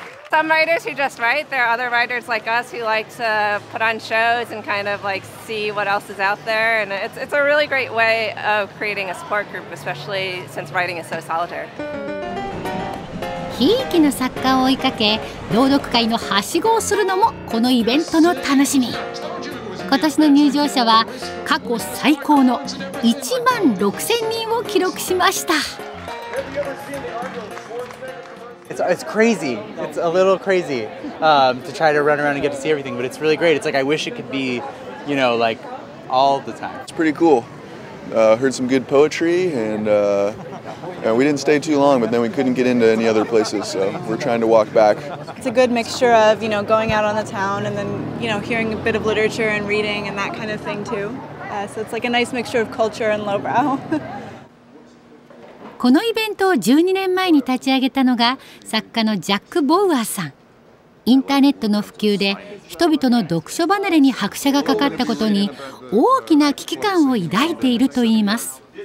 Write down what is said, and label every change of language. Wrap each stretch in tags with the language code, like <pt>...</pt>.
<en>Some writers who just write, there are other writers like us who like to put on shows and kind of like see what else is out there. And it's a really great way of creating a support group, especially since writing is so solitary.</en> <ja>ひいきの作家を追いかけ、朗読会のはしごをするのもこのイベントの楽しみ。今年の入場者は過去最高の1万6000人を記録しました。</ja> <en>It's crazy. It's a little crazy to try to run around and get to see everything, but it's really great. It's like I wish it could be, you know, like all the time. It's pretty cool. Heard some good poetry, and yeah, we didn't stay too long, but then we couldn't get into any other places, so we're trying to walk back. It's a good mixture of, you know, going out on the town and then, you know, hearing a bit of literature and reading and that kind of thing too. So it's like a nice mixture of culture and lowbrow.</en> <ja>このイベントを12年前に立ち上げたのが作家のジャック・ボウアーさん。インターネットの普及で人々の読書離れに拍車がかかったことに大きな危機感を抱いているといいます。</ja>